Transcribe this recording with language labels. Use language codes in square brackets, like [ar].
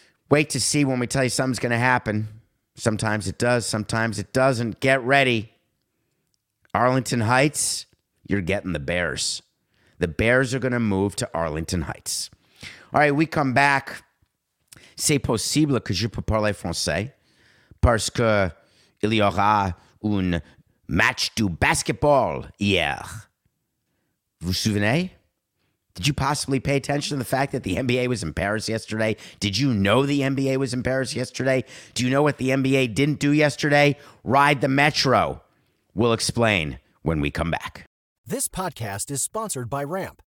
[en] Wait to see when we tell you something's going to happen. Sometimes it does, sometimes it doesn't. Get ready. Arlington Heights, you're getting the Bears. The Bears are going to move to Arlington Heights. All right, we come back. [fr] C'est possible que je peux parler français parce que il y aura un match du basketball hier. Vous souvenez? [en] Did you possibly pay attention to the fact that the NBA was in Paris yesterday? Did you know the NBA was in Paris yesterday? Do you know what the NBA didn't do yesterday? Ride the Metro. We'll explain when we come back. This podcast is sponsored by Ramp.